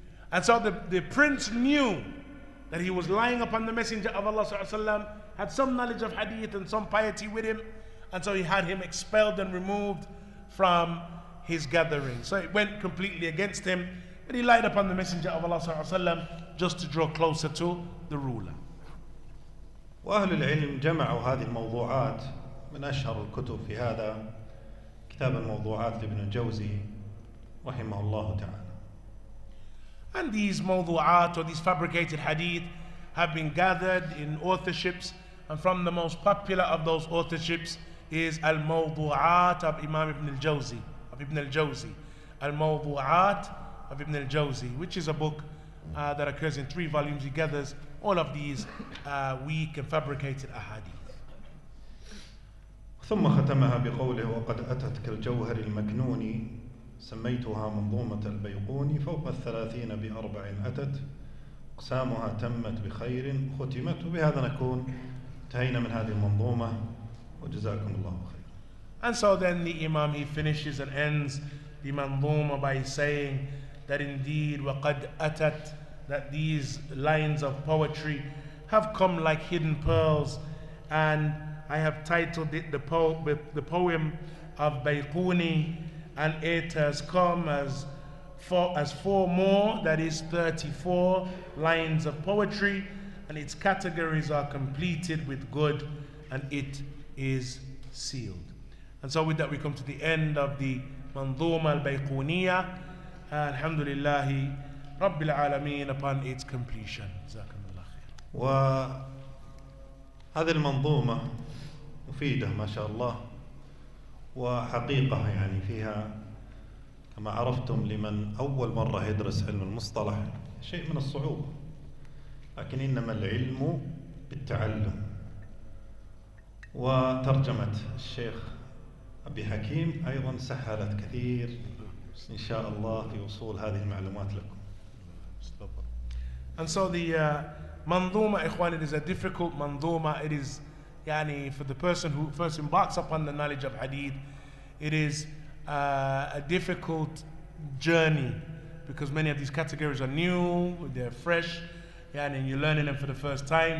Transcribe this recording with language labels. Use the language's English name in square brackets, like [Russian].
[English] And so the prince knew that he was lying upon the messenger of Allah Sallallahu Alaihi Wasallam, had some knowledge of hadith and some piety with him, and so he had him expelled and removed from his gathering. So it went completely against him, but he lied upon the messenger of Allah Sallallahu Alaihi Wasallam just to draw closer to the ruler. [Arabic] وأهل العلم جمعوا هذه الموضوعات من أشهر الكتب في هذا كتاب الموضوعات لابن الجوزي رحمه الله تعالى. [English] And these موضوعات or these fabricated hadith have been gathered in authorships, and from the most popular of those authorships is الموضوعات of Imam Ibn al-Jawzi, of Ibn al-Jawzi. الموضوعات of Ibn al-Jawzi, which is a book that occurs in three volumes. He gathers all of these weak and fabricated ahadith. [Arabic] ثم ختمها بقوله وقد أتت كالجوهر المكنون سميتها منظومة البيقوني فوق الثلاثين بأربع أتت أقسامها تمت بخير ختمت. وبهذا نكون انتهينا من هذه المنظومة وجزاكم الله خير. [English] And so then the Imam, he finishes and ends the manzuma by saying that indeed [Arabic] وقد أتت, [English] that these lines of poetry have come like hidden pearls, and I have titled it the poem of Bayquni, and it has come as four more, that is 34 lines of poetry, and its categories are completed with good, and it is sealed. And so with that we come to the end of the Manzuma al-Bayquniya, alhamdulillah Rabbil Alameen, upon its completion. [Arabic] جزاكم الله خير. وهذه المنظومة مفيدة ما شاء الله وحقيقة يعني فيها كما عرفتم لمن أول مرة يدرس علم المصطلح شيء من الصعوبة, لكن إنما العلم بالتعلم. وترجمة الشيخ أبي حكيم أيضا سهلت كثير إن شاء الله في وصول هذه المعلومات لكم. [English] And so the manzuma, ikhwan, it is a difficult manzuma. It is, yani, for the person who first embarks upon the knowledge of hadith, it is a difficult journey because many of these categories are new, they're fresh, yani, and you're learning them for the first time.